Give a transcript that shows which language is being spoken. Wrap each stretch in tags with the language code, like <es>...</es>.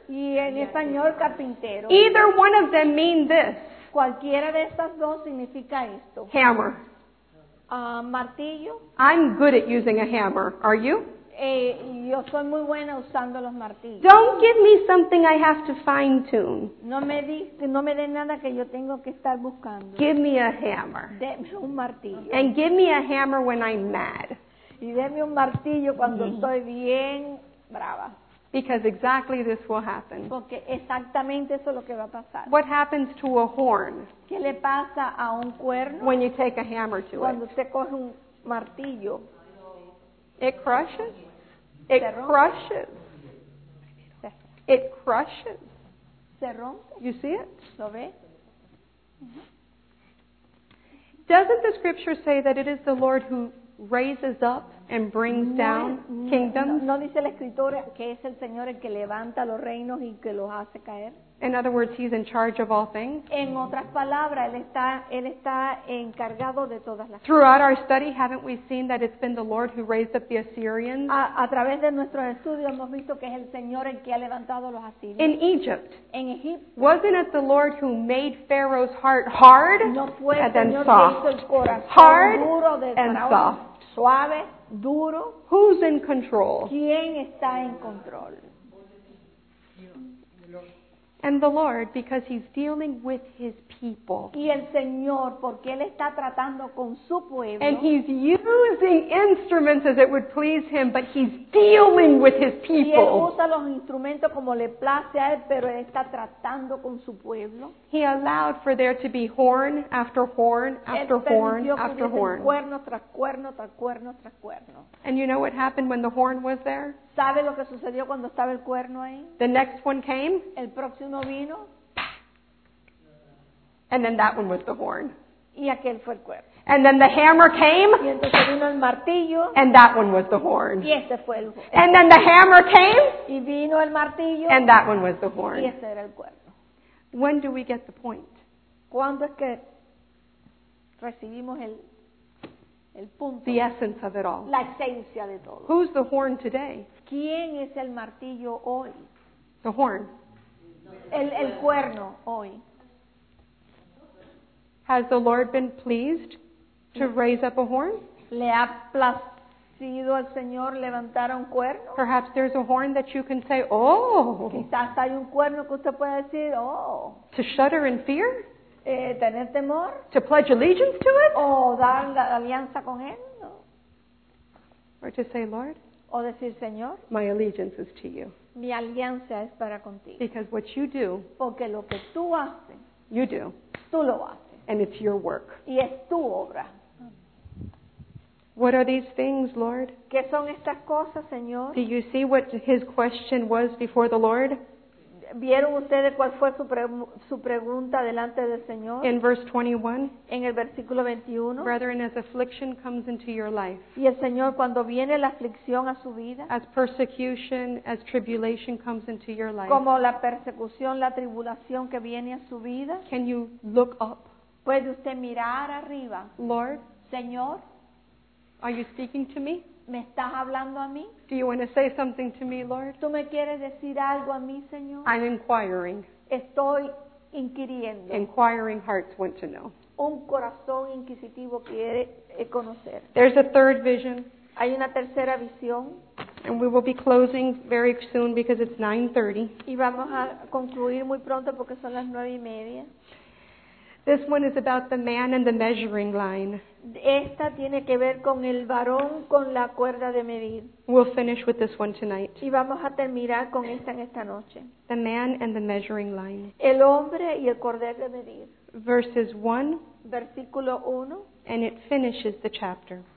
<es>Y en español, carpinteros.</es> <en>Either one of them mean this.</en> <es>Cualquiera de estas dos significa esto.</es> <en>Hammer.</en> <es>Martillo.</es> <en>I'm good at using a hammer. Are you?</en> <es>Yo soy muy buena usando los martillos.</es> <en>Don't give me something I have to fine tune.</en> <es>No me de nada que yo tengo que estar buscando.</es> <en>Give me a hammer.</en> <es>Deme un martillo.</es> <en>And give me a hammer when I'm mad.</en> <es>Y deme un martillo cuando estoy bien brava.</es> <en>Because exactly this will happen.</en> <es>Porque exactamente eso es lo que va a pasar.</es> <en>What happens to a horn?</en> <es>¿Qué le pasa a un cuerno?</es> <en>When you take a hammer to</en> <es>cuando</es> <en>it.</en> <es>Usted coge un martillo.</es> <en>It crushes. It crushes. It crushes.</en> <es>Se rompe.</es> <en>You see it?</en> <es>¿Lo ve?</es> <en>Doesn't the scripture say that it is the Lord who raises up and brings down kingdoms?</en> <es>No, no dice la escritura que es el Señor el que levanta los reinos y que los hace caer.</es> <en>In other words, he's in charge of all things.</en> <es>En otras palabras, él está encargado de todas las.</es> <en>Throughout our study, haven't we seen that it's been the Lord who raised up the Assyrians?</en> <es>A través de nuestros estudios hemos visto que es el Señor el que ha levantado los asirios.</es> <en>In Egypt.</en> <es>En Egipto.</es> <en>Wasn't it the Lord who made Pharaoh's heart hard</en> <es>no fue</es> <en>and then</en> <es>Señor</es> <en>soft?</en> <es>Hizo el corazón</es> <en>hard</en> <es>duro de</es> <en>and</en> <es>Faraón.</es> <en>Soft.</en> <es>Suave, duro.</es> <en>Who's in control?</en> <es>¿Quién está en control?</es> <en>And the Lord, because he's dealing with his people.</en> <es>Y el Señor, porque él está tratando con su pueblo.</es> <en>And he's using instruments as it would please him, but he's dealing with his people.</en> <es>Y él usa los instrumentos como le place a él, pero él está tratando con su pueblo.</es> <en>He allowed for there to be horn after horn after horn after horn.</en> <es>Cuerno tras cuerno tras cuerno tras cuerno.</es> <en>And you know what happened when the horn was there?</en> <es>¿Sabe lo que sucedió cuando estaba el cuerno ahí?</es> <en>The next one came.</en> <es>El próximo vino.</es> <en>And then that one was the horn.</en> <es>Y aquel fue el cuerno.</es> <en>And then the hammer came.</en> <es>Y entonces vino el martillo.</es> <en>And that one was the horn.</en> <es>Y ese fue el horno.</es> <en>And then the hammer came.</en> <es>Y vino el martillo.</es> <en>And that one was the horn.</en> <es>Y ese era el cuerno.</es> <en>When do we get the point?</en> <es>¿Cuándo es que recibimos el punto?</es> <en>The essence of it all.</en> <es>La esencia de todo.</es> <en>Who's the horn today?</en> <es>¿Quién es el martillo hoy?</es> <en>The horn.</en> <es>El cuerno hoy.</es> <en>Has the Lord been pleased to raise up a horn?</en> <es>¿Le ha placido al Señor levantar un cuerno?</es> <en>Perhaps there's a horn that you can say, oh.</en> <es>Quizás hay un cuerno que usted pueda decir, oh.</es> <en>To shudder in fear?</en> <es>¿Tener temor?</es> <en>To pledge allegiance to it?</en> <es>¿O dar la alianza con él? No.</es> <en>Or to say, Lord?</en> <es>O decir, Señor,</es> <en>my allegiance is to you.</en> <es>Mi alianza es para contigo.</es> <en>Because what you do,</en> <es>porque lo que tú haces,</es> <en>you do,</en> <es>tú lo haces.</es> <en>And it's your work.</en> <es>Y es tu obra.</es> <en>What are these things, Lord?</en> <es>¿Qué son estas cosas, Señor?</es> <en>Do you see what his question was before the Lord?</en> <es>¿Vieron ustedes cuál fue su pregunta delante del Señor?</es> <en>In verse 21.</en> <es>En el versículo 21.</es> <en>Brethren, as affliction comes into your life.</en> <es>Y el Señor, cuando viene la aflicción a su vida.</es> <en>As persecution, as tribulation comes into your life.</en> <es>Como la persecución, la tribulación que viene a su vida.</es> <en>Can you look up?</en> <es>¿Puede usted mirar arriba?</es> <en>Lord.</en> <es>Señor.</es> <en>Are you speaking to me?</en> <es>¿Me estás hablando a mí?</es> <en>Do you want to say something to me, Lord?</en> <es>¿Tú me quieres decir algo a mí, Señor?</es> <en>I'm inquiring.</en> <es>Estoy inquiriendo.</es> <en>Inquiring hearts want to know.</en> <es>Un corazón inquisitivo quiere conocer.</es> <en>There's a third vision.</en> <es>Hay una tercera visión.</es> <en>And we will be closing very soon because it's 9:30.</en> <es>Y vamos a concluir muy pronto porque son las 9:30.</es> <en>This one is about the man and the measuring line.</en> <es>Esta tiene que ver con el varón con la cuerda de medir.</es> <en>We'll finish with this one tonight.</en> <es>Y vamos a terminar con esta en esta noche.</es> <en>The man and the measuring line.</en> <es>El hombre y el cordel de medir.</es> <en>Verses 1.</en> <es>Versículo 1.</es> <en>And it finishes the chapter.</en>